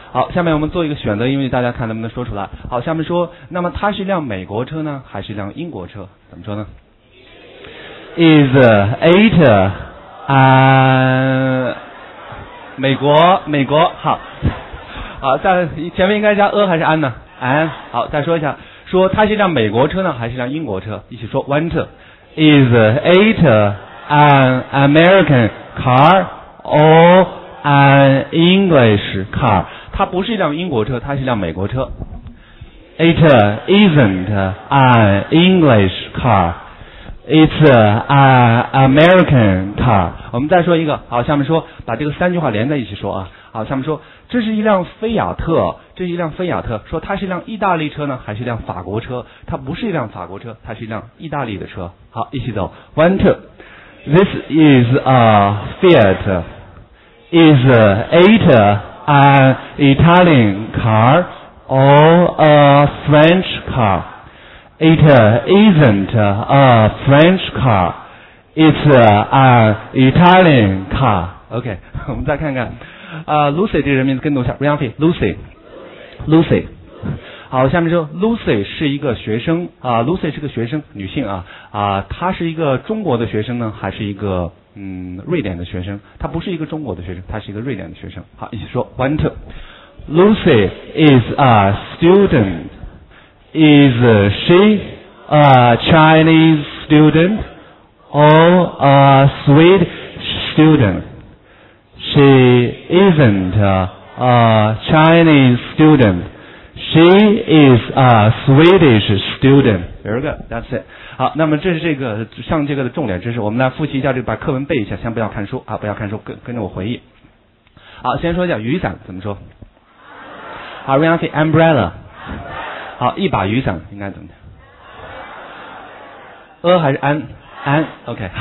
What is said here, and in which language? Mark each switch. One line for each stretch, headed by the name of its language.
Chinese: 好，下面我们做一个选择英语，大家看能不能说出来。好，下面说，那么它是一辆美国车呢，还是一辆英国车？怎么说呢 ？
English: Is it a
Chinese: 美国？好。好，在前面应该加 a 还是 an 呢？an 好，再说一下，说它是一辆美国车呢，还是一辆英国车？一起说
English: ，one is it an American car or an English car？
Chinese: 它不是一辆英国车，它是一辆美国车。
English: It isn't an English car. It's an American car.
Chinese: 我们再说一个，好，下面说，把这个三句话连在一起说啊。好，下面说，这是一辆菲亚特，说它是一辆意大利车呢，还是一辆法国车？它不是一辆法国车，它是一辆意大利的车。
English: 好，
Chinese: 一起走
English: ，one two， this is a Fiat， is it an Italian car or a French car？ It isn't a French car， it's an Italian car。
Chinese: OK， 我们再看看Lucy 这个人名字跟读一下 ，Ryan Fei Lucy。好，下面说 Lucy 是一个学生啊 ，Lucy 是个学生，女性啊她是一个中国的学生呢，还是一个瑞典的学生？她不是一个中国的学生，她是一个瑞典的学生。好，一起说
English: ，One two， Lucy is a student， is she a Chinese student or a Swedish student？ She isn't a Chinese student. She is a Swedish student. Very good. That's it.
Chinese: 好，那么这是这个上这个的重点知识。我们来复习一下，这个把课文背一下。先不要看书啊，不要看书，跟着我回忆。好，先说一下雨伞怎么说。
English: 好 ，Rain say umbrella.
Chinese: 好，一把雨伞应该怎么讲 ？A 还是 an？
English: An. OK.